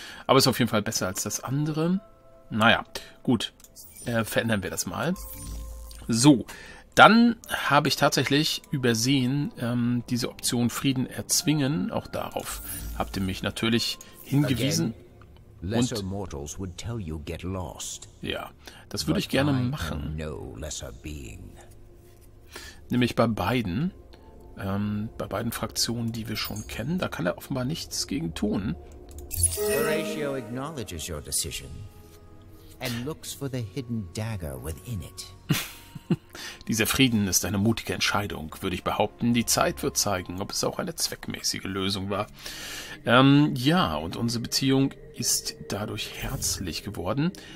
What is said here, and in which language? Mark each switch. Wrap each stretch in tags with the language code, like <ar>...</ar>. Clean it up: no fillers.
<de>Aber ist auf jeden Fall besser als das andere. Naja, gut, verändern wir das mal. So, dann habe ich tatsächlich übersehen, diese Option Frieden erzwingen. Auch darauf habt ihr mich natürlich hingewiesen.</de> <en>Again. Lesser mortals would tell you get lost.</en> <de>Ja, das würde ich gerne machen.</de> <en>No lesser being.</en> <de>Nämlich bei beiden Fraktionen, die wir schon kennen, da kann er offenbar nichts gegen tun.</de> <en>Horatio acknowledges your decision and looks for the hidden dagger within it.</en> <de>Dieser Frieden ist eine mutige Entscheidung, würde ich behaupten. Die Zeit wird zeigen, ob es auch eine zweckmäßige Lösung war. Ja, und unsere Beziehung ist dadurch herzlich geworden.</de>